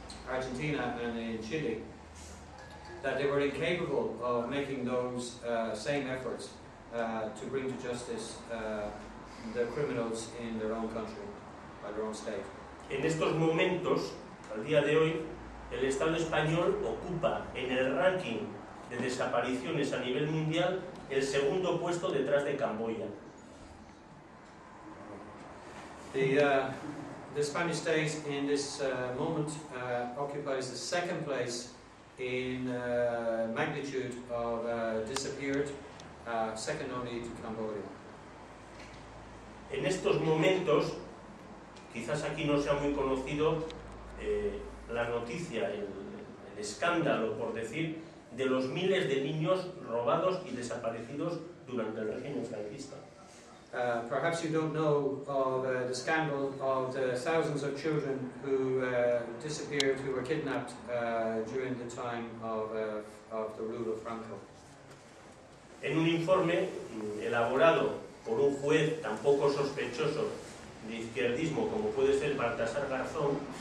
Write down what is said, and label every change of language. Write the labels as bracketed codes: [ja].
[en] Argentina and in Chile, that they were incapable of making those same efforts to bring to justice the criminals in their own country, by their own state. [es] En estos momentos, al día de hoy, el Estado español ocupa en el ranking de desapariciones a nivel mundial el segundo puesto detrás de Camboya. [en] The Spanish state in this moment occupies the second place in magnitude of disappeared, second only to Cambodia. [es] En estos momentos, quizás aquí no sea muy conocido la noticia, el escándalo, por decir, de los miles de niños robados y desaparecidos durante el régimen franquista. [en] Perhaps you don't know of the scandal of the thousands of children who disappeared, who were kidnapped during the time of the rule of Franco. [es] En un informe elaborado por un juez tan poco sospechoso de izquierdismo como puede ser Baltasar Garzón.